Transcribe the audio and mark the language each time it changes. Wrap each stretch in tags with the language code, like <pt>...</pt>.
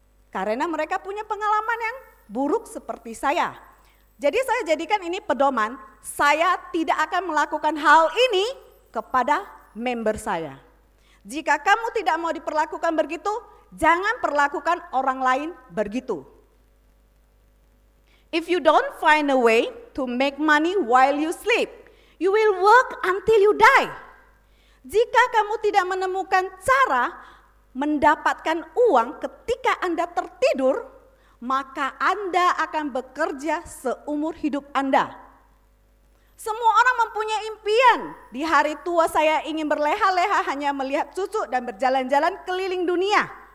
<id>Karena mereka punya pengalaman yang buruk seperti saya. Jadi saya jadikan ini pedoman, saya tidak akan melakukan hal ini kepada member saya. Jika kamu tidak mau diperlakukan begitu, jangan perlakukan orang lain begitu.</id> <en>If you don't find a way to make money while you sleep, you will work until you die.</en> <id>Jika kamu tidak menemukan cara mendapatkan uang ketika Anda tertidur, maka Anda akan bekerja seumur hidup Anda. Semua orang mempunyai impian. Di hari tua saya ingin berleha-leha hanya melihat cucu dan berjalan-jalan keliling dunia.</id>